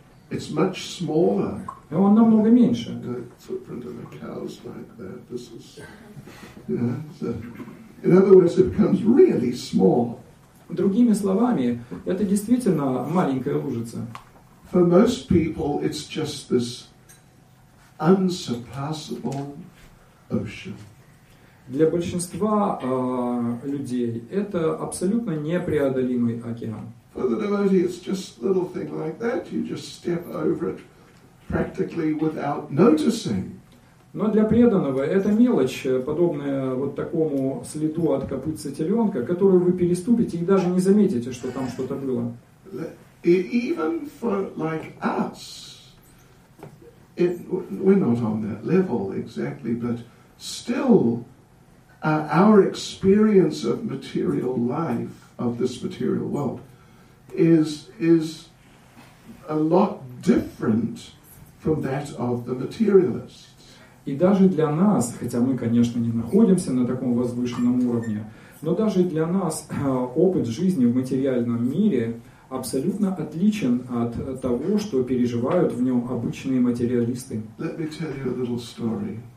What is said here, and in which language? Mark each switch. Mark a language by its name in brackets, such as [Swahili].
[English] It's much smaller. [Russian] Он намного меньше. [English] In other words, it becomes really small. [Russian] Другими словами, это действительно маленькая лужица. [English] For most people, it's just this unsurpassable ocean. [Russian] Для большинства людей это абсолютно непреодолимый океан. [English] For the devotee, it's just a little thing like that. You just step over it practically without noticing. [Russian] Но для преданного это мелочь, подобная вот такому следу от копытца теленка, которую вы переступите и даже не заметите, что там что-то было. [English] Even for like us, we're not on that level exactly, but still our experience of material life, of this material world, is a lot different from that of the materialist. [Russian] И даже для нас, хотя мы, конечно, не находимся на таком возвышенном уровне, но даже для нас опыт жизни в материальном мире абсолютно отличен от того, что переживают в нем обычные материалисты. [English] Let me tell you a little story.